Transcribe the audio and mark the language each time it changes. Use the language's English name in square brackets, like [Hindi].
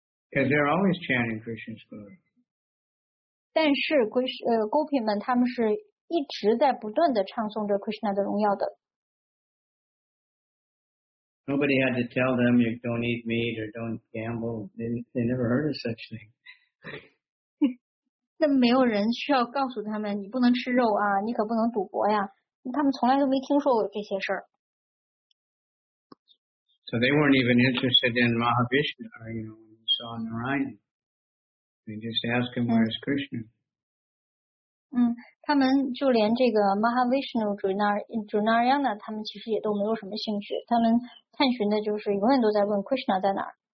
[English] Because they're always chanting Krishna's glory. [Chinese] 但是Gopi们他们是一直在不断的唱诵着 Krishna 的荣耀的。 [English] Nobody had to tell them you don't eat meat or don't gamble. They never heard of such thing. [Chinese] 那没有人需要告诉他们你不能吃肉啊，你可不能赌博呀。他们从来都没听说过这些事儿。 [English] So they weren't even interested in Mahavishnu, you know. Saw Narayan. They just ask him where is Krishna. [Chinese] 嗯，他们就连这个 Mahavishnu Junaryana 他们其实也都没有什么兴趣。他们探寻的就是永远都在问 Krishna 在哪儿。